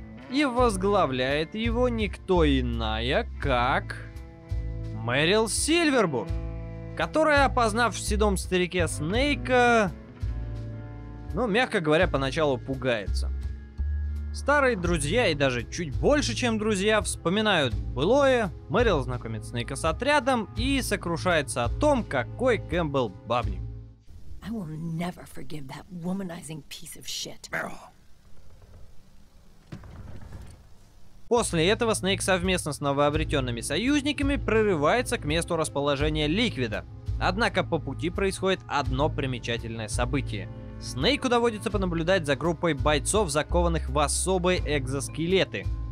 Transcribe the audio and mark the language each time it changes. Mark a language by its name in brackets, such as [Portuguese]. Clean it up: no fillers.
[Russian] И возглавляет его никто иная, как Мэрил Сильвербург, которая, опознав в седом старике Снейка, ну, мягко говоря, поначалу пугается. Старые друзья, и даже чуть больше, чем друзья, вспоминают былое, Мэрил знакомит Снейка с отрядом и сокрушается о том, какой Кэмпбелл бабник. [English] I will never forgive that womanizing piece of shit. [Russian] Мэрил. После этого Снейк совместно с новообретенными союзниками прорывается к месту расположения Ликвида. Однако по пути происходит одно примечательное событие. Снейку доводится понаблюдать за группой бойцов, закованных в особые экзоскелеты.